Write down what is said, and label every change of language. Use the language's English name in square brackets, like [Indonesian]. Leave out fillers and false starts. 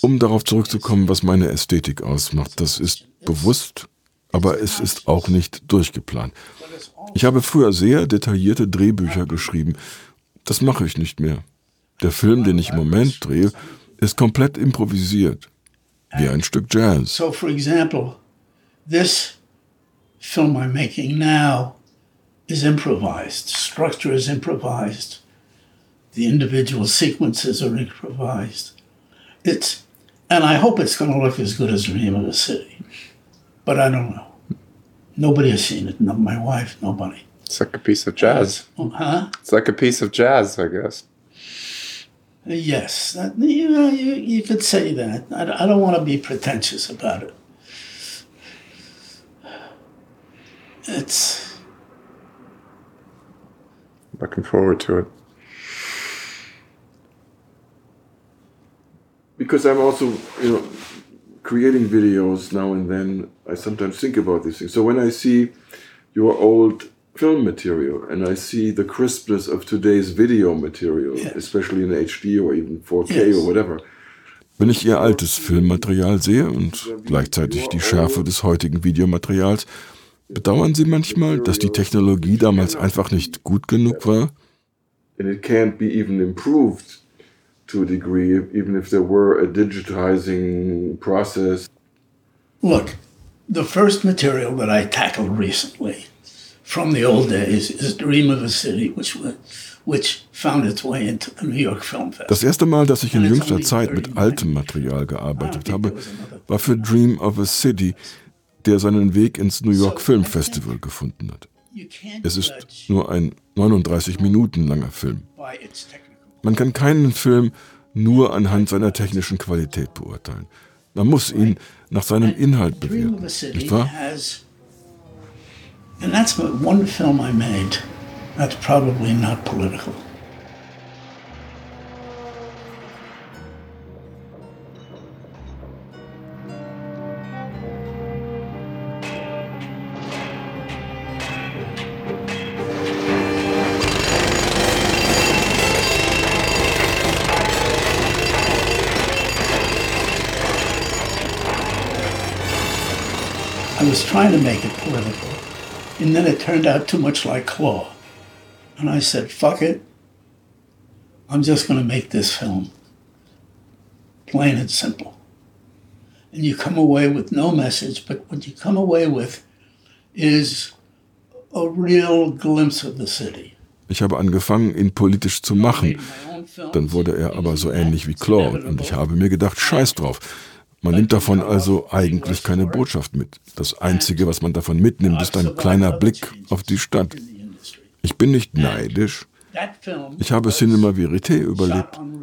[German] Um darauf zurückzukommen, was meine Ästhetik ausmacht, das ist bewusst, aber es ist auch nicht durchgeplant. Ich habe früher sehr detaillierte Drehbücher geschrieben. Das mache ich nicht mehr. Der Film, den ich im Moment drehe, ist komplett improvisiert, wie ein Stück Jazz. [English] So, for example, this film I'm making now is improvised. Structure is improvised. the individual sequences are improvised. And I hope it's going to look as good as Dream of a City. But I don't know. Nobody has seen it. Not my wife, nobody. It's like a piece of jazz. It's like a piece of jazz, I guess. Yes. You could say that. I don't want to be pretentious about it. It's... Looking forward to it. Because I'm also, you know, creating videos now and then, I sometimes think about these things. So when I see your old film material and I see the crispness of today's video material, yes, especially in HD or even 4K, yes, or whatever. [German] Wenn ich ihr altes Filmmaterial sehe und gleichzeitig die Schärfe des heutigen Videomaterials, bedauern Sie manchmal, dass die Technologie damals einfach nicht gut genug war? [English] And it can't be even improved to a degree, even if there were a digitizing process. Look, the first material that I tackled recently from the old days is Dream of a City, which found its way into the New York Film Festival. [German] Das erste Mal, dass ich in jüngster Zeit mit altem Material gearbeitet habe, war für Dream of a City, der seinen Weg ins New York Film Festival gefunden hat. Es ist nur ein 39 Minuten langer Film. Man kann keinen Film nur anhand seiner technischen Qualität beurteilen. Man muss ihn nach seinem Inhalt bewerten, nicht wahr? [English] And that's one film I made that's probably not political. I was trying to make it political. And then it turned out too much like Claw. And I said, fuck it. I'm just going to make this film. Plain and simple. And you come away with no message, but what you come away with is a real glimpse of the city. [German] Ich habe angefangen, ihn politisch zu machen. Dann wurde er aber so ähnlich wie Claw. Und ich habe mir gedacht, scheiß drauf. Man nimmt davon also eigentlich keine Botschaft mit. Das Einzige, was man davon mitnimmt, ist ein kleiner Blick auf die Stadt. Ich bin nicht neidisch. Ich habe Cinema Verité überlebt.